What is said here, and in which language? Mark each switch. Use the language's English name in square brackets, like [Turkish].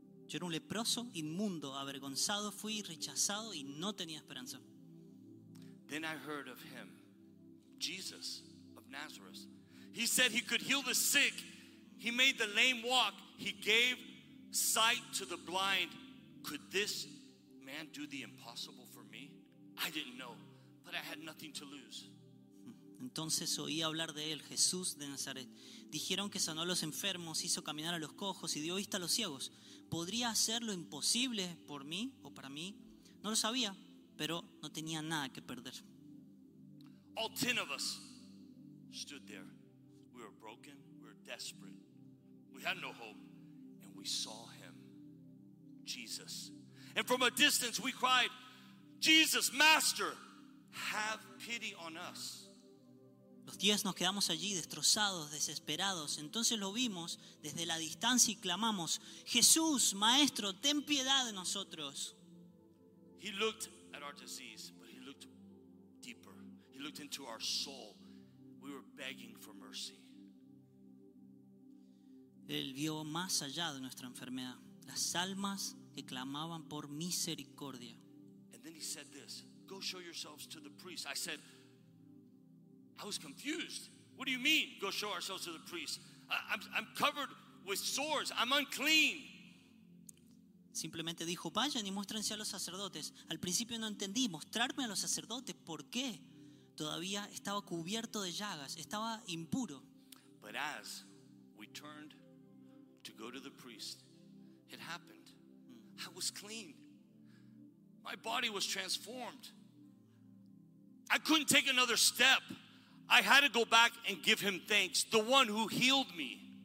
[Spanish] Yo era un leproso, inmundo, avergonzado, fui rechazado y no tenía esperanza. [English] Then I heard of him, Jesus of Nazareth. He said he could heal the sick. He made the lame walk. He gave sight to the blind. Could this man do the impossible for me? I didn't know, but I had nothing to lose. [Spanish] Entonces oí hablar de él, Jesús de Nazaret. Dijeron que sanó a los enfermos, hizo caminar a los cojos y dio vista a los ciegos. ¿Podría hacer lo imposible por mí o para mí? No lo sabía, pero no tenía nada que perder. [English] All 10 of us stood there. We were broken, we were desperate. We had no hope, and we saw him, Jesus. And from a distance we cried, Jesus, Master, have pity on us. [Spanish] Los 10 nos quedamos allí destrozados, desesperados. Entonces lo vimos desde la distancia y clamamos, Jesús, Maestro, ten piedad de nosotros. [English] He looked at our disease, but he looked deeper. He looked into our soul. We were begging for mercy. [Spanish] Él vio más allá de nuestra enfermedad, las almas que clamaban por misericordia. [English] And then he said this, go show yourselves to the priest. I said, I was confused. What do you mean, go show ourselves to the priest? I'm covered with sores. I'm unclean. [Spanish] Simplemente dijo, vayan y muéstrense a los sacerdotes. Al principio no entendí, mostrarme a los sacerdotes, ¿por qué? Todavía estaba cubierto de llagas, estaba impuro. [English] But as we turned to go to the priest, it happened. I was clean. My body was transformed. I couldn't take another step. I had to go back and give him thanks, the one who healed me.